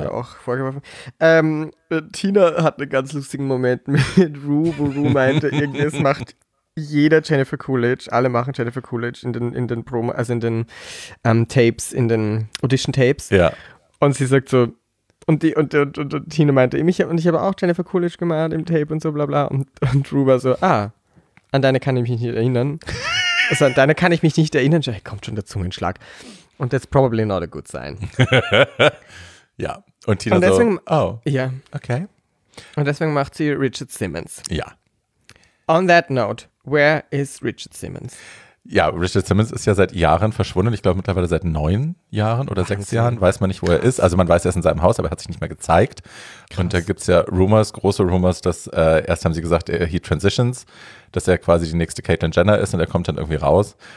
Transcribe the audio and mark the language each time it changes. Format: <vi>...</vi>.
<de>Wurde auch vorgeworfen. Tina hat einen ganz lustigen Moment mit Ru, wo Ru meinte, irgendwas macht jeder Jennifer Coolidge, alle machen Jennifer Coolidge in den Promo, also in den Tapes, in den Audition-Tapes. Ja. Und sie sagt so, und Tina meinte, ich habe auch Jennifer Coolidge gemacht im Tape und so, bla bla. Und Ru war so, an deine kann ich mich nicht erinnern. Also an deine kann ich mich nicht erinnern. Hey, kommt schon der Zungenschlag. Und</de> <en>that's probably not a good sign.</en> <de>Ja, und Tina und deswegen, so, oh, ja, okay. Und deswegen macht sie Richard Simmons. Ja.</de> <en>On that note, where is Richard Simmons?</en> <de>Ja, Richard Simmons ist ja seit Jahren verschwunden. Ich glaube mittlerweile seit 9 Jahren oder 6 Jahren. Weiß man nicht, wo er ist. Also man weiß, er ist in seinem Haus, aber er hat sich nicht mehr gezeigt. Krass. Und da gibt es ja Rumors, große Rumors, dass erst haben sie gesagt,</de> <en>he transitions,</en> <de>dass er quasi die nächste Caitlyn Jenner ist und er kommt dann irgendwie raus.</de>